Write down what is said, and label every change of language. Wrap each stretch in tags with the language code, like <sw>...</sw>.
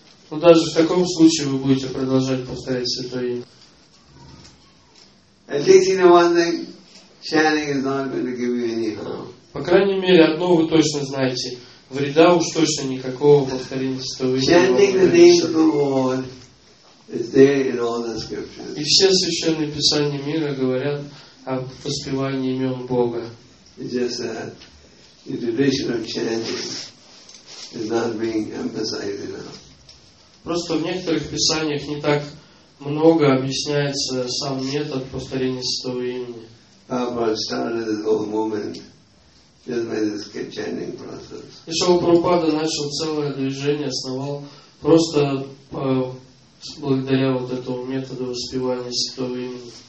<ru>Но даже в таком случае вы будете продолжать повторять святое имя.</ru> <en>At least you know one thing, chanting is not going to give you any harm.</en> <ru>По крайней мере, одно вы точно знаете. Вреда уж точно никакого повторения святого</ru> <en>имя. Is there in all the scriptures?</en> <ru>И все священные писания мира говорят о воспевании имен Бога.</ru> <en>It's just that the tradition of chanting is not being emphasized enough.</en> <ru>Просто в некоторых писаниях не так много объясняется сам метод повторения святого имени.</ru> <en>Prabhupada started this whole movement И</en> <ru>Шрила Прабхупада начал целое движение, основал просто благодаря вот этому методу воспевания святого имени.</ru>